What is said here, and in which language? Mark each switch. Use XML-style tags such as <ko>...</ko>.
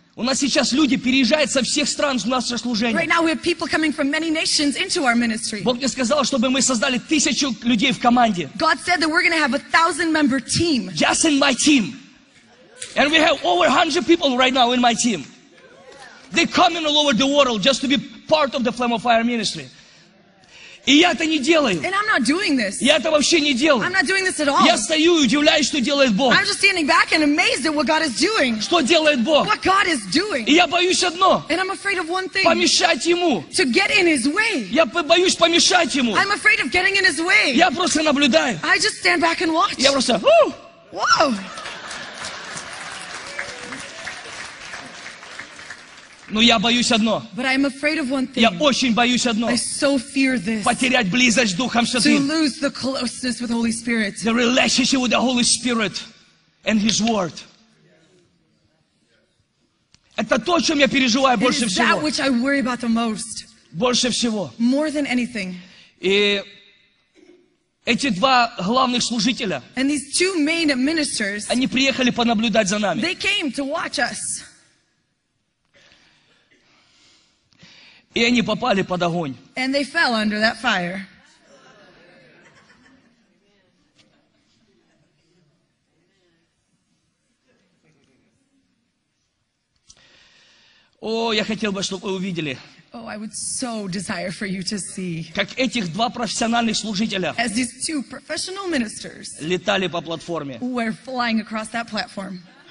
<ru>У нас сейчас люди переезжают со всех стран в наше служение.</ru> <en>Right now we have people coming from many nations into our ministry.</en> <ru>Бог мне сказал, чтобы мы создали 1000 людей в команде.</ru> <en>God said that we're going to have a 1,000-member team. Just in my team. And we have over 100 people right now in my team. They come in all over the world just to be part of the Flame of Fire ministry.</en> <ru>И я это не делаю.</ru> <en>And I'm not doing this.</en> <ru>Я это вообще не делаю.</ru> <en>I'm not doing this at all.</en> <ru>Я стою и удивляюсь, что делает Бог.</ru> <en>I'm just standing back and amazed at what God is doing.</en> <ru>Что делает Бог?</ru> <en>What God is doing.</en> <ru>И я боюсь одно.</ru> <en>And I'm afraid of one thing.</en> <ru>Помешать ему.</ru> <en>To get in his way.</en> <ru>Я боюсь помешать ему.</ru> <en>I'm afraid of getting in his way.</en> <ru>Я просто наблюдаю.</ru> <en>I just stand back and watch.</en> <ru>Я просто,</ru> <en>Wow.</en> <ru>Но я боюсь одно.</ru> <en>But I'm afraid of one thing.</en> <ru>Я очень боюсь одно.</ru> <en>I so fear this.</en> <ru>Потерять близость с Духом Святым.</ru> <en>To lose the closeness with Holy Spirit. The relationship with the Holy Spirit and His Word.</en> <ru>Это то, о чем я переживаю больше всего.</ru> <en>It is that which I worry about the most.</en> <ru>Больше всего.</ru> <en>More than anything.</en> <ru>И эти два главных служителя.</ru> <en>And these two main ministers.</en> <ru>Они приехали понаблюдать за нами.</ru> <en>They came to watch us.</en> <ru>И они попали под огонь.</ru> <en>And they fell under that fire.</en> <ru>О, я хотел бы, чтобы вы увидели.</ru> <en>Oh, I would so desire for you to see.</en> <ru>Как этих два профессиональных служителя.</ru> <en>As these two professional ministers.</en> <ru>Летали по платформе.</ru> <en>Were flying across that platform.</en>